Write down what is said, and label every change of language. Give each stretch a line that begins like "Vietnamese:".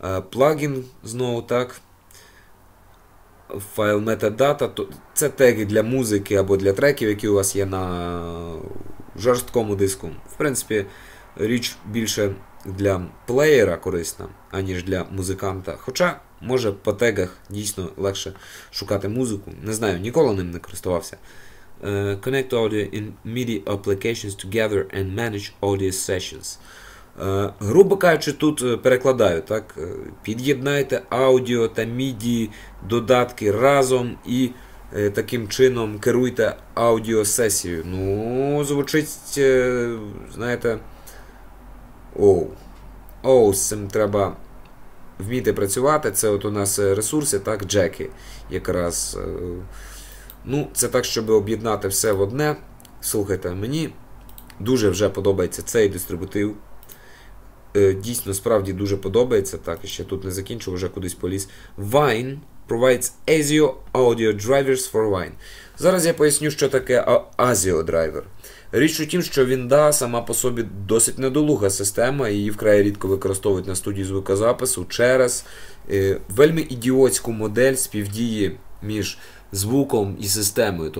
Ukrainian: Плагін знову так. Файл метадата, це теги для музики або для треків, які у вас є на жорсткому диску. В принципі, річ більше для плеєра корисна, аніж для музиканта. Хоча, може, по тегах дійсно легше шукати музику. Не знаю, ніколи ним не користувався.
English: Connect audio in MIDI applications to gather and manage audio sessions.
Ukrainian: Грубо кажучи, тут перекладаю, так? Під'єднайте аудіо та MIDI додатки разом і таким чином керуйте аудіосесією. Ну, звучить, знаєте, оу, з цим треба вміти працювати. Це от у нас ресурси, так, джеки якраз. Ну, це так, щоб об'єднати все в одне. Слухайте, мені дуже вже подобається цей дистрибутив. Дійсно, справді дуже подобається. Так, ще тут не закінчу, вже кудись поліз.
English: Vine provides ASIO audio drivers for Vine.
Ukrainian: Зараз я поясню, що таке ASIO driver. Річ у тім, що Вінда сама по собі досить недолуга система, її вкрай рідко використовують на студії звукозапису через вельми ідіотську модель співдії між звуком і системою.